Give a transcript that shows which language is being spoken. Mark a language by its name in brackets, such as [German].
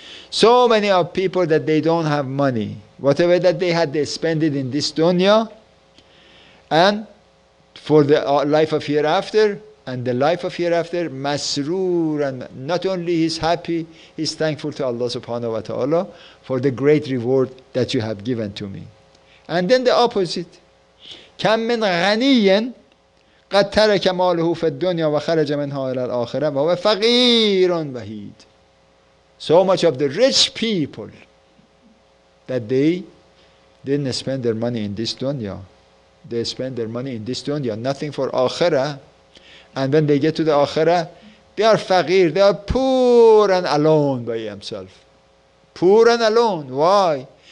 [English] So many of people that they don't have money. Whatever that they had, they spend it in this dunya. And for the life of hereafter, and the life of hereafter, masroor, and not only he's happy, he's thankful to Allah subhanahu wa ta'ala for the great reward that you have given to me. And then the opposite. [Arabic] Kam min ghaniyan قد ترك ماله في الدنيا وخرج منها الى الاخره وهو فقير وحيد. [English] So much of the rich people that they didn't spend their money in this dunya. They spend their money in this dunya, nothing for akhira. And when they get to the akhira, they are faqir, they are poor and alone by himself. Poor and alone. Why?